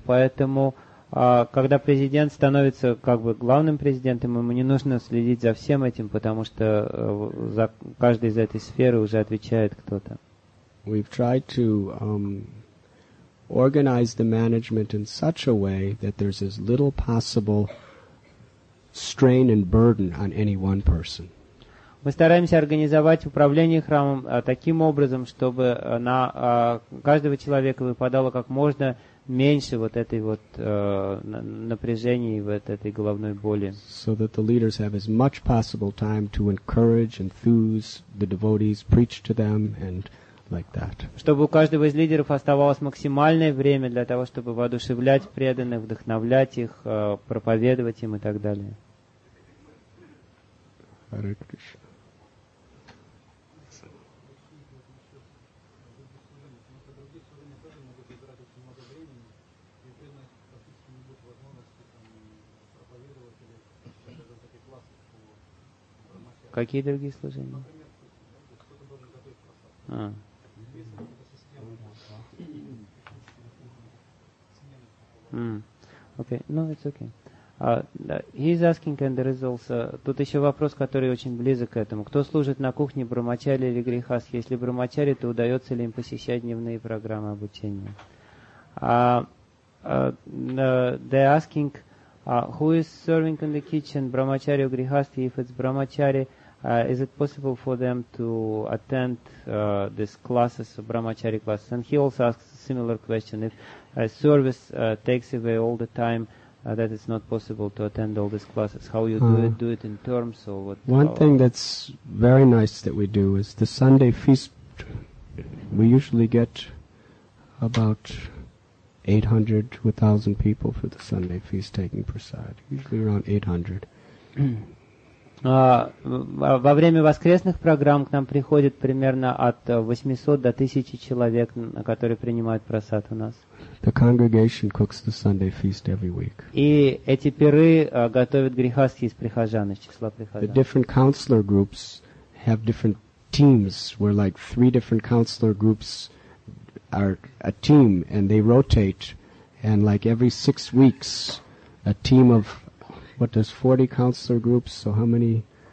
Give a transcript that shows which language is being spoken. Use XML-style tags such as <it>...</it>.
<ru>Поэтому, когда президент становится как бы главным президентом, ему не нужно следить за всем этим, потому что за каждой из этой сферы уже отвечает кто-то.</ru> <en>We've tried to organize the management in such a way that there's as little possible strain and burden on any one person.</en> <ru>Мы стараемся организовать управление храмом таким образом, чтобы на каждого человека выпадало как можно меньше вот этой вот напряжения и вот этой головной боли.</ru> <en>So that the leaders have as much possible time to encourage, enthuse the devotees, preach to them, and like that.</en> <ru>Чтобы у каждого из лидеров оставалось максимальное время для того, чтобы воодушевлять преданных, вдохновлять их, проповедовать им и так далее.</ru> <en>Hare Krishna.</en> <ru>Какие другие служения?</ru> <en>Okay, no, it's okay. He's asking, and there is also...</en> <ru>Тут еще вопрос, который очень близок к этому. Кто служит на кухне, брамачари или грихасхи? Если брамачари, то удается ли им посещать дневные программы обучения?</ru> <en>They're asking, who is serving in the kitchen,</en> <ru>брамачари или грихасхи?</ru> <en>If it's брамачари... is it possible for them to attend these classes, brahmachari classes? And he also asks a similar question. If a service takes away all the time, that it's not possible to attend all these classes. How you do it? Do it in terms or what? One thing that's very nice that we do is the Sunday feast. We usually get about 800 to 1,000 people for the Sunday feast taking prasad, usually around 800.</en> <ru>Во время воскресных программ к нам приходит примерно от 800 до 1000 человек, которые принимают просад у нас.</ru> <en>The congregation cooks the Sunday feast every week.</en> <ru>И эти пиры готовят грихасхи из прихожан, из числа прихожан.</ru> <en>The different counselor groups have different teams, where like three different counselor groups are a team, and they rotate, and like every six weeks, a team of what, there's 40 counselor groups, so how many?</en>